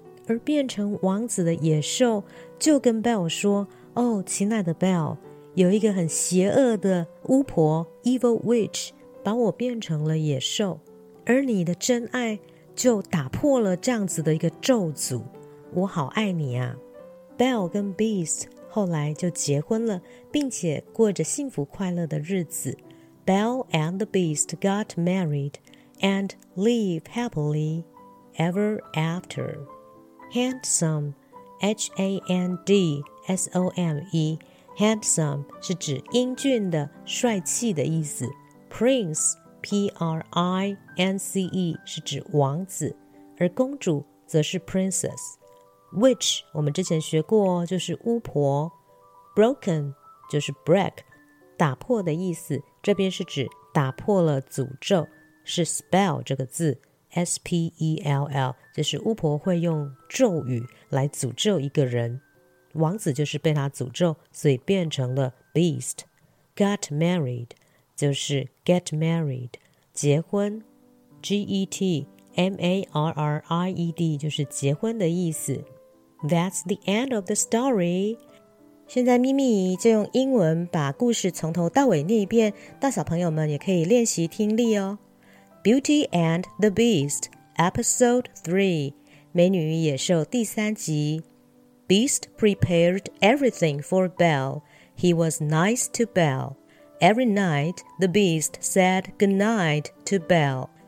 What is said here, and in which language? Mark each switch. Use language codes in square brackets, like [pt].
[zh] 而变成王子的野兽就跟 Belle 说，哦，亲爱的 Belle, 有一个很邪恶的巫婆 Evil Witch 把我变成了野兽，而你的真爱就打破了这样子的一个咒诅，我好爱你啊。 Belle 跟 Beast 后来就结婚了，并且过着幸福快乐的日子。 [en] Belle and the Beast got married and lived happily ever after. [zh] Handsome, H-A-N-D-S-O-M-E, Handsome 是指英俊的、帅气的意思。 PrinceP-R-I-N-C-E 是指王子，而公主则是 princess。 Witch 我们之前学过，就是巫婆。Broken 就是 break， 打破的意思，这边是指打破了诅咒，是 spell 这个字， S-P-E-L-L 就是巫婆会用咒语来诅咒一个人，王子就是被他诅咒，所以变成了 beast。 Got married就是 get married, 结婚， G-E-T, M-A-R-R-I-E-D 就是结婚的意思。 [en] That's the end of the story. [zh] 现在咪咪就用英文把故事从头到尾念一遍，大小朋友们也可以练习听力哦。 [en] Beauty and the Beast, Episode 3, [zh] 美女与野兽第三集。 [en] Beast prepared everything for Belle. He was nice to Belle. Every night, the beast said goodnight to Belle.